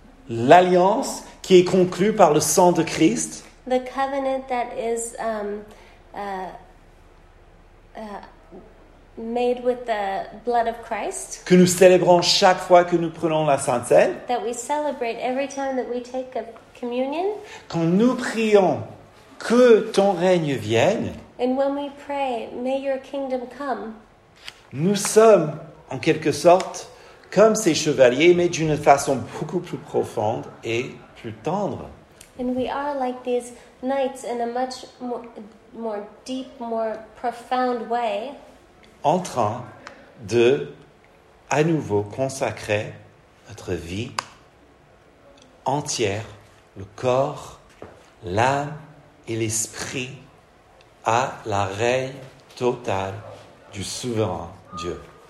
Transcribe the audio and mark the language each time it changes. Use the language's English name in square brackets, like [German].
[French] L'alliance qui est conclue par le sang de Christ. [English] The covenant that is made with the blood of Christ. [French] Que nous célébrons chaque fois que nous prenons la Sainte Cène. [English] That we celebrate every time that we take a communion. [French] Quand nous prions que ton règne vienne. [English] And when we pray, may your kingdom come. [French] Nous sommes en quelque sorte comme ces chevaliers, mais d'une façon beaucoup plus profonde et plus tendre. [English] And we are like these knights in a much more deep, more profound way. [French] En train de, à nouveau, consacrer notre vie entière, le corps, l'âme et l'esprit à la règne totale du souverain Dieu.